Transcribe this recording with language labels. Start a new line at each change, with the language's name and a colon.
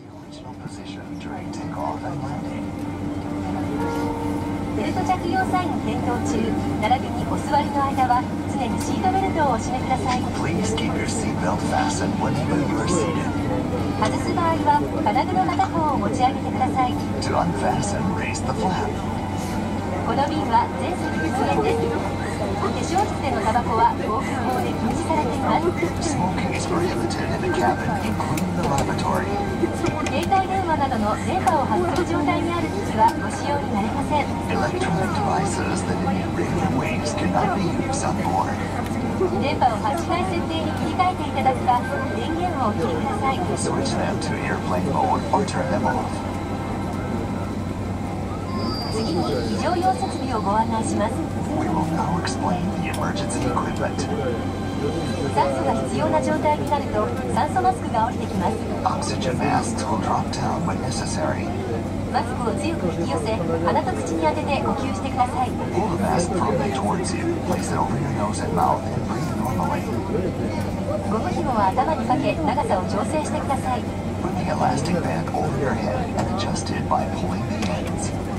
English: orbital position during takeoff and landing.
Japanese: ベルト着用サインを点灯中、並びにお座りの間は常にシートベルトをお締めください。
English: Please keep your seatbelt fastened whenever you are seated.
Japanese: 外す場合は金具の片方を持ち上げてください。
English: To unfasten, raise the flap.
Japanese: この便は全席禁煙です。化粧室でのタバコは防空法で禁止されています。
English: Smoking is prohibited in the cabin, including the lavatory.
Japanese: 携帯電話などの電波を発する状態にある機器はご使用になれません。
English: Electronic devices that emit radio waves cannot be used on board.
Japanese: 電波を発しない設定に切り替えていただくか、電源をお切りください。
English: Switch them to airplane mode or turn them off.
Japanese: 次に非常用設備をご案内します。
English: We will now explain the emergency equipment.
Japanese: 酸素が必要な状態になると酸素マスクが降りてきます。
English: Oxygen masks will drop down when necessary.
Japanese: マスクを強く引き寄せ、鼻と口に当てて呼吸してください。
English: Pull the mask firmly towards you. Place it over your nose and mouth and breathe normally.
Japanese: ゴム紐は頭にかけ、長さを調整してください。
English: Put the elastic band over your head and adjust it by pulling the ends.